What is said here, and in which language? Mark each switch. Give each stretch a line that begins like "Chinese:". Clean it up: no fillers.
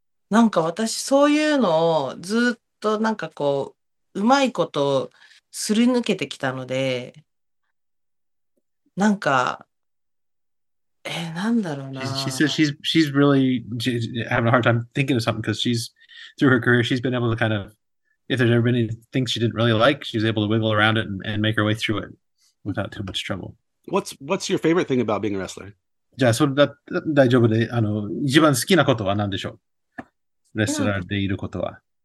Japanese: なんか私そういうのをずっとなんかこううまいことをすり抜けてきたので、なんかなんだろうな。
English: She says she's really having a hard time thinking of something because she's through her career she's been able to kind of if there's ever been anything she didn't really like she's able to wiggle around it and make her way through it without too much trouble. What's your favorite thing about being a wrestler?
Japanese: じゃあ、それだ、大丈夫で、一番好きなことは何でしょう？レスラーでいることは。